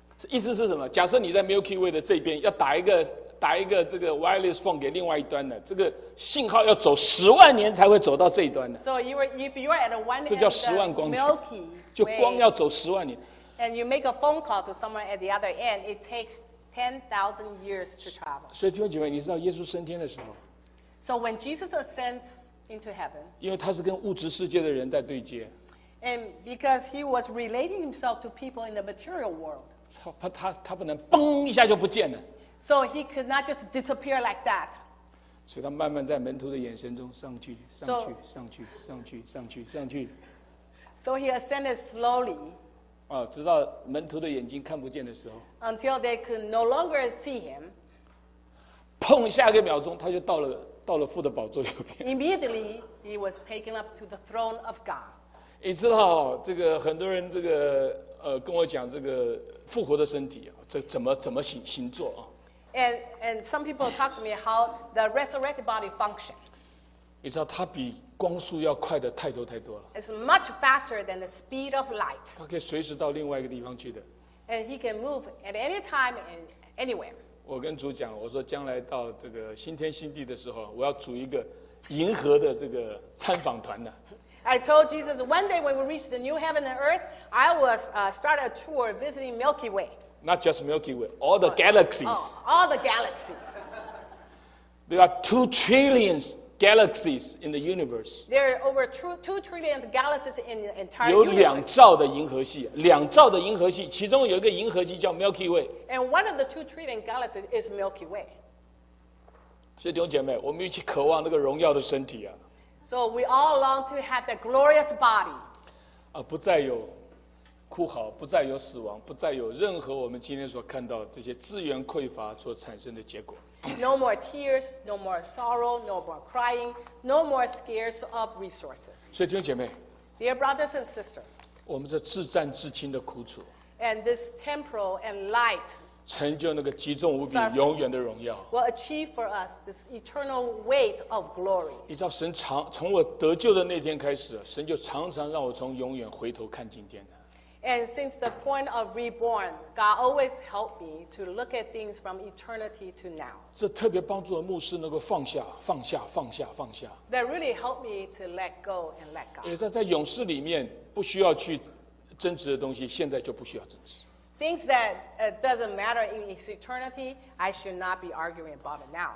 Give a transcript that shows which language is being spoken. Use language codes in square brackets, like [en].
[zh] 意思是什么？假设你在 Milky Way 的这边要打一个这个 wireless phone 给另外一端的，这个信号要走10万年才会走到这一端的。 [en] So if you are at a one, [zh] 这叫10万光年。就光要走10万年。 [en] And you make a phone call to someone at the other end, it takes 10,000 years to travel. [zh] 所以弟兄姐妹，你知道耶稣升天的时候 [en] ？So when Jesus ascends into heaven. [zh] 因为他是跟物质世界的人在对接。 [en] And because he was relating himself to people in the material world. [zh] 他不能嘣一下就不见了。 [en] So he could not just disappear like that. [zh] 所以他慢慢在门徒的眼神中上去，上去，上去，上去，上去，上去。 [en] So he ascended slowly. [zh] 啊，直到门徒的眼睛看不见的时候。 [en] Until they could no longer see him. [zh] 碰下一个秒钟，他就到了到了父的宝座右边。 [en] Immediately he was taken up to the throne of God. [zh] 你知道这个很多人这个跟我讲这个复活的身体啊，这怎么行做啊 [en] ？And some people talk to me how the resurrected body function. [zh] 你知道它比光速要快的太多太多了。 [en] It's much faster than the speed of light. [zh] 它可以随时到另外一个地方去的。 [en] And he can move at any time and anywhere. [zh] 我跟主讲，我说将来到这个新天新地的时候，我要组一个银河的这个参访团呢。 [en] I told Jesus one day when we reach the new heaven and earth, I will start a tour visiting Milky Way. Not just Milky Way, all the galaxies. All the galaxies. There are 2 trillion galaxies in the universe. There are over two trillion galaxies in the entire universe. [zh] 有两兆的银河系，两兆的银河系，其中有一个银河系叫 Milky Way. [en] And one of the 2 trillion galaxies is Milky Way. [zh] 所以弟兄姐妹，我们一起渴望那个荣耀的身体啊。 [en] So we all long to have that glorious body. [zh] 啊，不再有哭嚎，不再有死亡，不再有任何我们今天所看到这些资源匮乏所产生的结果。 [en] No more tears, no more sorrow, no more crying, no more scarce of resources. [zh] 所以弟兄姐妹 [en] ，Dear brothers and sisters， [zh] 我们这自战自清的苦楚 [en] ，and this temporal and light， [zh] 成就那个极重无比、永远的荣耀 [en] ，will achieve for us this eternal weight of glory. [zh] 你知道神从我得救的那天开始，神就常常让我从永远回头看今天的。 [en] And since the point of reborn, God always helped me to look at things from eternity to now. [zh] 这特别帮助牧师能够放下、放下、放下、放下。 [en] That really helped me to let go and let God. [zh] 也在勇士里面不需要去争执的东西，现在就不需要争执。 [en] Things that doesn't matter in its eternity, I should not be arguing about it now.